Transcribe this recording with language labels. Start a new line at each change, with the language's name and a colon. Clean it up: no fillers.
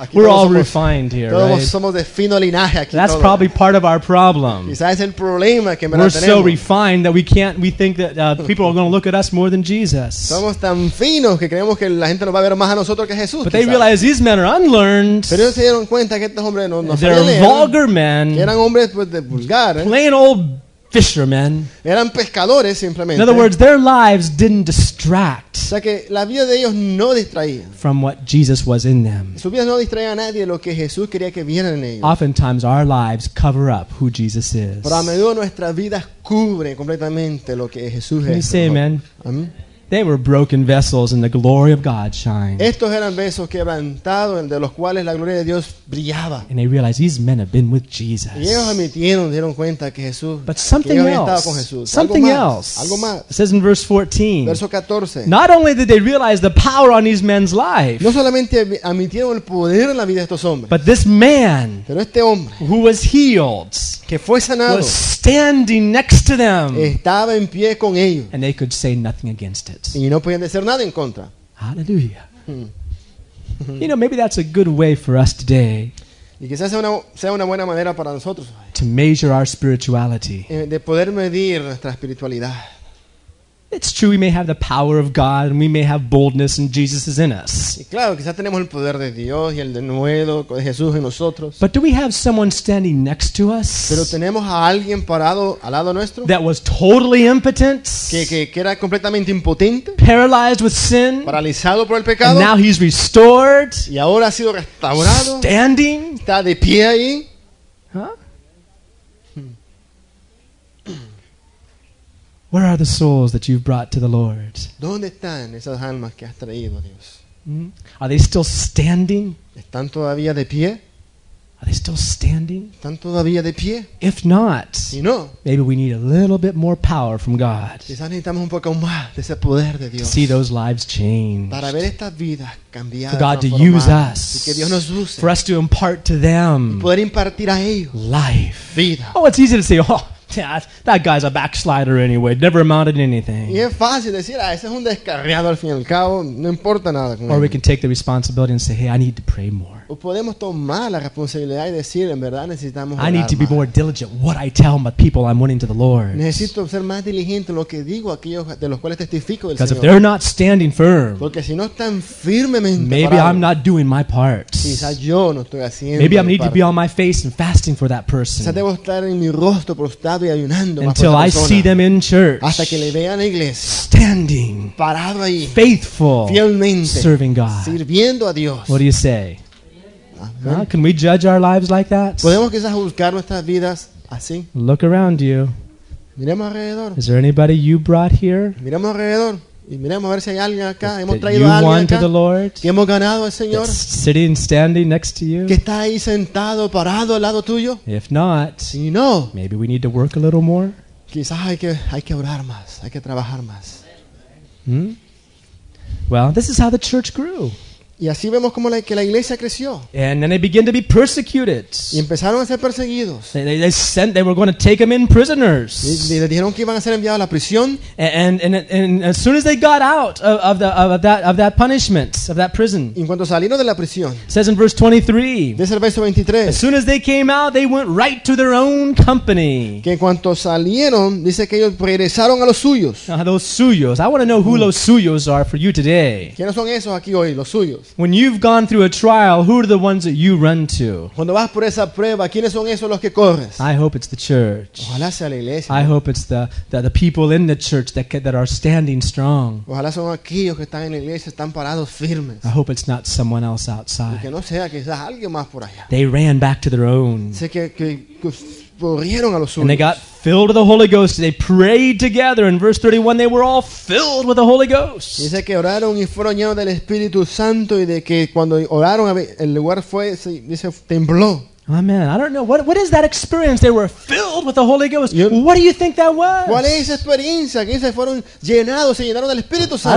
English: We're all refined here, right?
Spanish: Todos somos de fino linaje aquí.
English: That's probably part of our problem.
Spanish: Quizás el problema que me
English: we're so refined that we think that people are going to look at us more than Jesus.
Spanish: Somos tan finos que creemos que la gente nos va a ver más a nosotros que Jesús.
English: But they realize these men are unlearned.
Spanish: Pero ellos se dieron cuenta que estos hombres no sabían leer.
English: They're vulgar men.
Spanish: Eran hombres pues de vulgar.
English: Plain old fishermen.
Spanish: Eran pescadores simplemente.
English: In other words, their lives didn't distract.
Spanish: O sea que la vida de ellos no distraía.
English: From what Jesus was in them.
Spanish: Sus vidas no distraían a nadie lo que Jesús quería que vieran en ellos.
English: Oftentimes our lives cover up who Jesus is.
Spanish: Pero a menudo nuestras vidas cubren completamente lo que Jesús es.
English: Can you say amen?
Spanish: Amen.
English: They were broken vessels, and the glory of God shined.
Spanish: Estos eran vasos quebrantados, de los cuales la gloria de Dios brillaba.
English: And they realized these men have been with Jesus.
Spanish: Y ellos admitieron, dieron cuenta que Jesús.
English: But something else.
Spanish: Con Jesús.
English: Something
Spanish: algo más,
English: else.
Spanish: Algo más.
English: It says in verse 14.
Spanish: Verso 14.
English: Not only did they realize the power on these men's lives.
Spanish: No solamente admitieron el poder en la vida de estos hombres.
English: But this man.
Spanish: Pero este hombre.
English: Who was healed.
Spanish: Que fue sanado.
English: Was standing next to them.
Spanish: Estaba en pie con ellos.
English: And they could say nothing against it.
Spanish: Y no podían decir nada en contra.
English: Hallelujah. You know, maybe that's a good way for us today.
Spanish: Y quizás sea una buena manera para nosotros.
English: To measure our spirituality.
Spanish: De poder medir nuestra espiritualidad.
English: It's true we may have the power of God and we may have boldness and Jesus is in us.
Spanish: Y claro, quizás tenemos el poder de Dios y el denuedo de Jesús en nosotros.
English: But do we have someone standing next to us?
Spanish: Pero tenemos a alguien parado al lado nuestro.
English: That was totally impotent.
Spanish: Que era completamente impotente.
English: Paralyzed with sin.
Spanish: Paralizado por el pecado.
English: And now he's restored.
Spanish: Y ahora ha sido restaurado.
English: Standing.
Spanish: Está de pie ahí.
English: Huh? Where are the souls that you've brought to the Lord?
Spanish: ¿Dónde están esas almas que has traído, Dios?
English: Are they still standing?
Spanish: ¿Están todavía de pie?
English: Are they still standing?
Spanish: ¿Están todavía de pie?
English: If not,
Spanish: si no,
English: maybe we need a little bit more power from God.
Spanish: Quizás necesitamos un poco más de ese poder de Dios.
English: To see those lives changed.
Spanish: Para ver estas vidas cambiadas.
English: For God to use us.
Spanish: Y que Dios nos use.
English: For us to impart to them.
Spanish: Y poder impartir a ellos.
English: Life.
Spanish: Vida.
English: Oh, it's easy to say, oh. That guy's a backslider anyway. Never amounted to anything.
Spanish: Y es fácil decir, ah, ese es un descarriado al fin y al cabo. No importa nada con
English: él. Or we can take the responsibility and say, hey, I need to pray more.
Spanish: O podemos tomar la responsabilidad y decir, en verdad necesitamos
English: orar. I need to be more diligent what I tell my people I'm winning to the Lord.
Spanish: Necesito ser más diligente en lo que digo a aquellos de los cuales testifico del Señor.
English: Because if they're not standing firm,
Spanish: porque si no están firmemente,
English: maybe I'm not doing my part.
Spanish: Quizá yo no estoy haciendo.
English: Maybe I need to be on my face and fasting for that person.
Spanish: Quizá debo estar en mi rostro prostrado.
English: Until I see them in church,
Spanish: hasta que le vean en iglesia,
English: standing,
Spanish: parado ahí,
English: faithful,
Spanish: fielmente,
English: serving God,
Spanish: sirviendo a Dios.
English: What do you say? Amen. Can we judge our lives like that?
Spanish: ¿Podemos quizás juzgar nuestras vidas así?
English: Look around you.
Spanish: Miremos alrededor.
English: Is there anybody you brought here?
Spanish: Miremos alrededor y miremos a ver si hay alguien acá. Hemos traído alguien acá.
English: You won to the Lord.
Spanish: Que hemos ganado al Señor.
English: Sitting, standing next to you.
Spanish: Que está ahí sentado, parado al lado tuyo.
English: If not,
Spanish: si no,
English: maybe we need to work a little more.
Spanish: Quizás hay que orar más, hay que trabajar más.
English: Well, this is how the church grew.
Spanish: Y así vemos cómo que la iglesia creció.
English: And then they began to be persecuted.
Spanish: Y empezaron a ser perseguidos.
English: They were going to take them in prisoners.
Spanish: Y les dijeron que iban a ser enviados a la prisión.
English: And as soon as they got out of that punishment, of that prison.
Spanish: Y en cuanto salieron de la prisión.
English: It says in verse 23.
Spanish: Dice el verso 23.
English: As soon as they came out, they went right to their own company.
Spanish: Que en cuanto salieron, dice que ellos regresaron a los suyos.
English: Those suyos. I want to know who
Spanish: los suyos
English: are for you today.
Spanish: ¿Quiénes son esos aquí hoy, los suyos?
English: When you've gone through a trial, who are the ones that you run to?
Spanish: Cuando vas por esa prueba, ¿quiénes son esos los que corres?
English: I hope it's the church.
Spanish: Ojalá sea la iglesia.
English: I hope it's the people in the church that are standing strong.
Spanish: Ojalá son aquellos que están en la iglesia, están parados firmes.
English: I hope it's not someone else outside.
Spanish: Que no sea quizás alguien más por allá.
English: They ran back to their own.
Spanish: Sé que corrieron a los suyos.
English: And they got filled with the Holy Ghost. They prayed together. In verse 31, they were all filled with the Holy Ghost.
Spanish: Dice que oraron y fueron llenos del Espíritu Santo y de que cuando oraron el lugar dice tembló.
English: Amen. I don't know. What is that experience? They were filled with the Holy Ghost. What do you think that was?
Spanish: ¿Cuál es esa experiencia? Que se fueron llenados, se llenaron del Espíritu Santo.